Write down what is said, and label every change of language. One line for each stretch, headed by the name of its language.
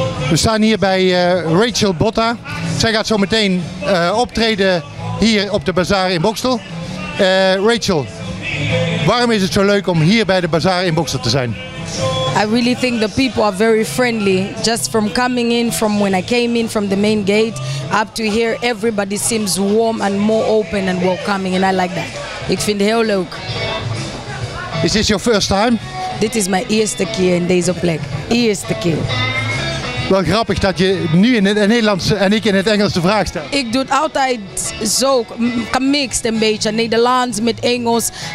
Dutch: We staan hier bij Rachel Botta. Zij gaat zo meteen optreden hier op de bazaar in Boxtel. Rachel, waarom is het zo leuk om hier bij de bazaar in Boxtel te zijn?
English: I really think the people are very friendly. Just from coming in, from when I came in from the main gate up to here, everybody seems warm and more open and welcoming, and I like that.
Dutch: Ik vind het heel leuk.
English: Is this your first time?
Dutch: Dit is mijn eerste keer in deze plek. Eerste keer. Wel grappig dat je nu in het Nederlands en ik in het Engels de vraag stelt. Ik doe het altijd zo gemixt, een beetje Nederlands met Engels.